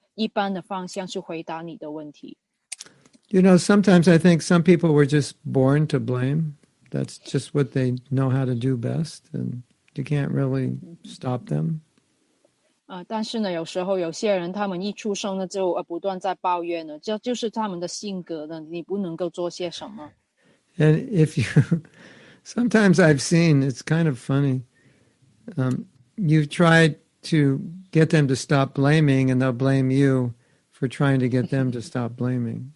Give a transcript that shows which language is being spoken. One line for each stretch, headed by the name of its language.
Chinese: 因为我不知道你在不认识你说的人，或者是你的奉献者团体，所以我只能够给一个一般的方向去回答你的问题。
English: You know, sometimes I think some people were just born to blame. That's just what they know how to do best, and you can't really stop them.
Chinese: 但是呢，有时候有些人他们一出生呢就不断在抱怨呢，这就是他们的性格呢，你不能够做些什么。
English: And if you, sometimes I've seen, it's kind of funny, you've tried to get them to stop blaming and they'll blame you for trying to get them to stop blaming.